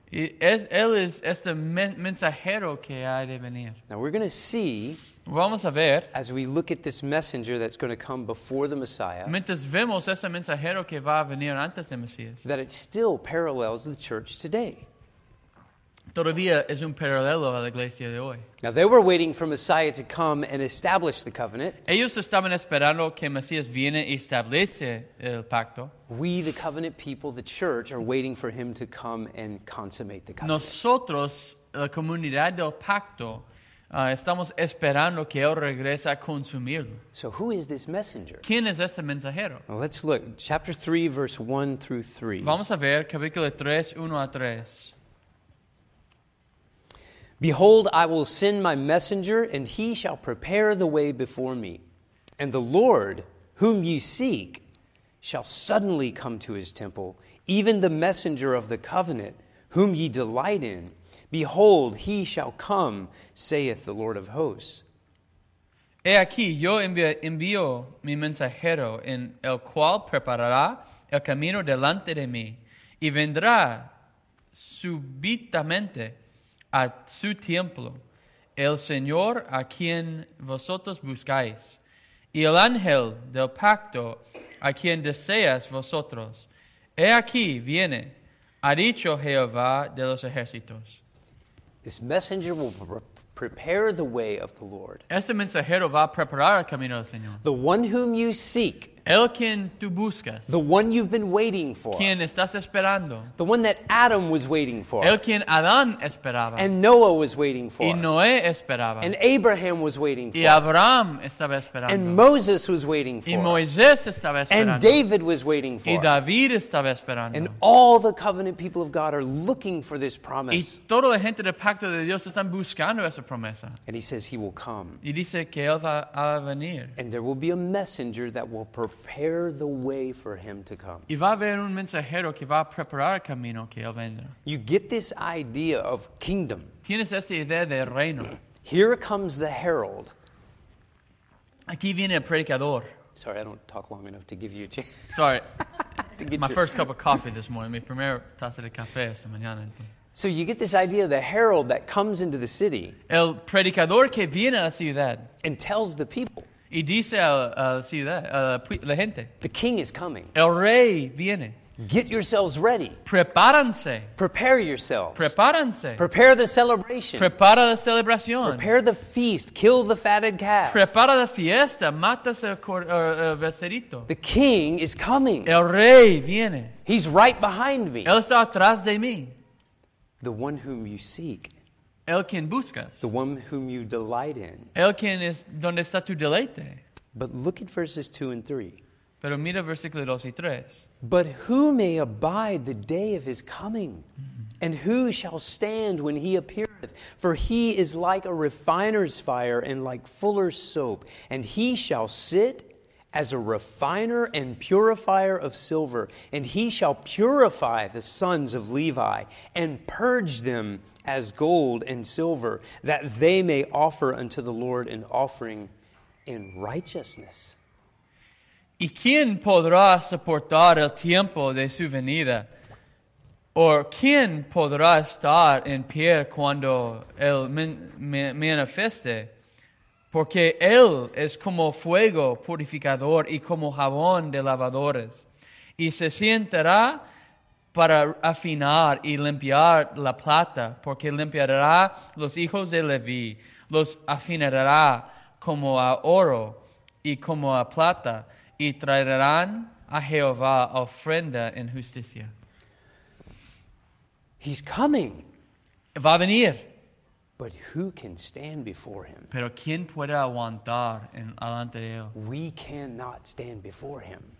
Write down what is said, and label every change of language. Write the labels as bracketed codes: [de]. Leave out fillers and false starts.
[es] Él es este mensajero que ha de venir. [en] Now we're going to see, [es] vamos a ver, [en] as we look at this messenger that's going to come before the Messiah, [es] mientras vemos ese mensajero que va a venir antes del Mesías, [en] that it still parallels the church today. [es] Todavía es un paralelo a la iglesia de hoy. [en] Now they were waiting for Messiah to come and establish the covenant. [es] Ellos estaban esperando que Mesías viene y establece el pacto. [en] We, the covenant people, the church, are waiting for him to come and consummate the covenant. [es] Nosotros, la comunidad del pacto, estamos esperando que él regrese a consumirlo. [en] So who is this messenger? [es] ¿Quién es este mensajero? [en] Well, let's look. Chapter 3, verse 1 through 3. [es] Vamos a ver, capítulo 3, 1 a 3. [en] Behold, I will send my messenger, and he shall prepare the way before me. And the Lord, whom ye seek, shall suddenly come to his temple, even the messenger of the covenant, whom ye delight in. Behold, he shall come, saith the Lord of hosts. [es] He aquí, yo envío mi mensajero, en el cual preparará el camino delante de mí, y vendrá súbitamente a su templo, el Señor a quien vosotros buscáis, y el ángel del pacto a quien deseas vosotros. He aquí viene, ha dicho Jehová de los ejércitos. [en] This messenger will prepare the way of the Lord. [es] Este mensajero va a preparar el camino del Señor. [en] The one whom you seek. [es] El quien tú buscas. [en] The one you've been waiting for. [es] Quien estás esperando. [en] The one that Adam was waiting for. [es] El quien Adán esperaba. [en] And Noah was waiting for. [es] Y Noé esperaba. [en] And Abraham was waiting for. [es] Y Abraham estaba esperando. [en] And Moses was waiting for. [es] Y Moisés estaba esperando. [en] And David was waiting for. [es] Y David estaba esperando. [en] And all the covenant people of God are looking for this promise. [es] Y toda la gente del pacto de Dios están buscando esa promesa. [en] And he says he will come. [es] Y dice que él va a venir. [en] And there will be a messenger that will prepare the way for him to come. [es] Y va a haber un mensajero que va a preparar el camino que él vendrá. [en] You get this idea of kingdom. [es] Tienes esa idea de reino. [en] Here comes the herald. [es] Aquí viene el predicador. [en] Sorry, I don't talk long enough to give you a chance. Sorry. First cup of coffee this morning. [es] Mi primera taza de café esta mañana. [en] So you get this idea of the herald that comes into the city. [es] El predicador que viene a la ciudad. [en] And tells the people. [es] Y dice a la ciudad, a la gente. [en] The king is coming. [es] El rey viene. [en] Get yourselves ready. [es] Prepárense. [en] Prepare yourselves. [es] Prepárense. [en] Prepare the celebration. [es] Prepara la celebración. [en] Prepare the feast. Kill the fatted calf. [es] Prepara la fiesta. Matas el becerito. [en] The king is coming. [es] El rey viene. [en] He's right behind me. [es] Él está atrás de mí. [en] The one whom you seek. [es] El quien buscas. [en] The one whom you delight in. [es] El quien es donde está tu deleite. [en] But look at verses 2 and 3. [es] Pero mira versículos 2 y 3. [en] But who may abide the day of his coming? Mm-hmm. And who shall stand when he appeareth? For he is like a refiner's fire and like fuller's soap. And he shall sit as a refiner and purifier of silver. And he shall purify the sons of Levi and purge them as gold and silver, that they may offer unto the Lord an offering in righteousness. [es] ¿Y quién podrá soportar el tiempo de su venida? Or quién podrá estar en pie cuando él manifieste? Porque él es como fuego purificador y como jabón de lavadores. Y se sentará para afinar y limpiar la plata, porque limpiará los hijos de Leví, los afinará como a oro y como a plata, y traerán a Jehová ofrenda en justicia. [en] He's coming. [es] Va a venir. [en] But who can stand before him? [es] Pero ¿quién puede aguantar delante de él? [en] We cannot stand before him.